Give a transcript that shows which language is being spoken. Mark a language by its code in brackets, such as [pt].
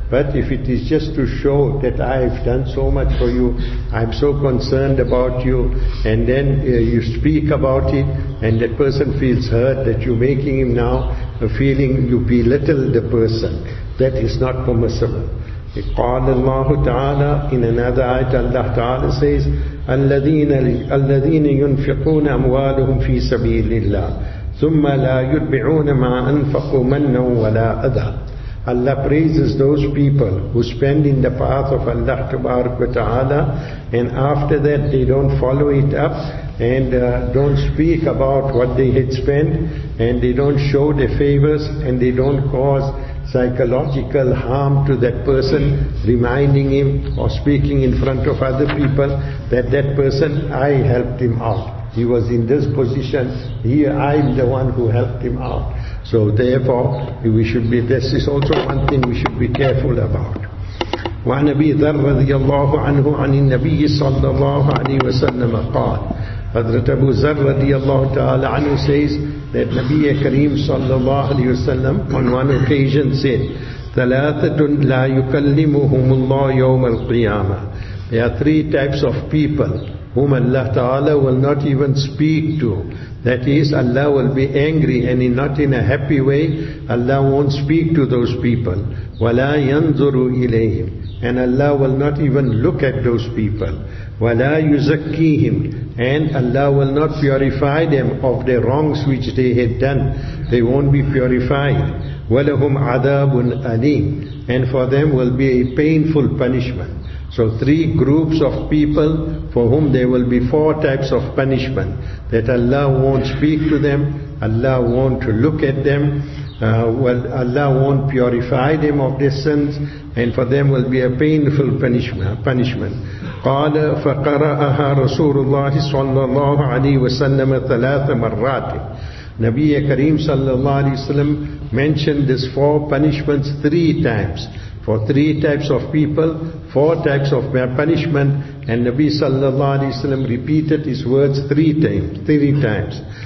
[en] But if it is just to show that I've done so much for you, I'm so concerned about you, and then you speak about it and that person feels hurt, that you're making him now feeling you belittle the person, that is not permissible. [ar] قال الله تعالى [en] in another ayat, Allah Ta'ala says, [ar] الَّذِينَ يُنْفِقُونَ أَمْوَالُهُمْ فِي سَبِيلِ اللَّهِ ثُمَّ لَا يُتْبِعُونَ مَا أَنْفَقُوا مَنَّا وَلَا أَذَى. [en] Allah praises those people who spend in the path of Allah Ta'ala, and after that they don't follow it up, and don't speak about what they had spent, and they don't show their favors, and they don't cause psychological harm to that person, reminding him or speaking in front of other people that person, I helped him out. He was in this position. Here, I'm the one who helped him out. So therefore, this is also one thing we should be careful about. [ar] وعن أبي ذر رضي الله عنه عن النبي صلى الله عليه وسلم قال. [en] Hazrat Abu Zar radiallahu ta'ala anhu says that Nabiya Kareem sallallahu alayhi wasallam on one occasion said, [ar] ثَلَاثَةٌ لَا يُكَلِّمُهُمُ اللَّهُ يَوْمَ الْقِيَامَةِ. [en] There are three types of people whom Allah Ta'ala will not even speak to. That is, Allah will be angry and not in a happy way. Allah won't speak to those people. [ar] وَلَا يَنْظُرُ إِلَيْهِمْ. [en] And Allah will not even look at those people. [ar] وَلَا يُزَكِّيهِمْ. [en] And Allah will not purify them of the wrongs which they had done. They won't be purified. [ar] وَلَهُمْ عَذَابٌ أَلِيمٌ. [en] And for them will be a painful punishment. So three groups of people for whom there will be four types of punishment. That Allah won't speak to them. Allah won't look at them. Allah won't purify them of their sins, and for them will be a painful punishment. [ar] قال فقرأها رسول الله صلى الله عليه وسلم ثلاث مرات. نبي كريم صلى الله عليه وسلم [en] mentioned these four punishments three times. For three types of people, four types of punishment, and Nabi sallallahu alayhi wa sallam repeated his words three times.